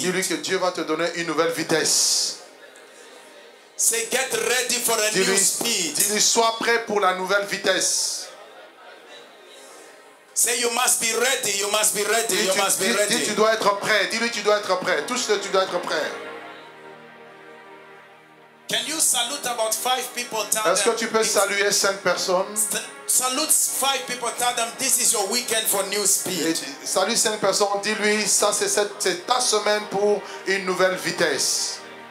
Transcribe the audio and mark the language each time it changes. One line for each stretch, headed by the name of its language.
French: Dis-lui que Dieu va te donner une nouvelle vitesse.
English: Say get ready for a new speed.
French: Dis-lui sois prêt pour la nouvelle vitesse.
English: Say you must be ready, you must be ready, you must be ready.
French: Tu dois être prêt, dis-lui tu dois être prêt. Touche-le, tu dois être prêt.
English: Can you salute about five people? Tell
French: Est-ce que tu peux saluer cinq personnes?
English: Salute five people, tell them this is your weekend for new speed.
French: Salute cinq personnes, dis-lui ça c'est ta semaine pour une nouvelle vitesse.